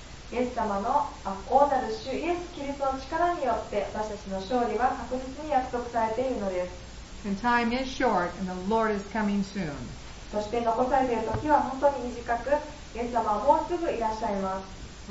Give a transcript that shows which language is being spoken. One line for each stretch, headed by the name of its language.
Japanese: イエス様の王なる主イエス・キリストの力によって私たちの勝利は確実に約束されているのです。
English: And time is short and the Lord is coming soon.
Japanese: そして残されている時は本当に短く、イエス様はもうすぐいらっしゃいます。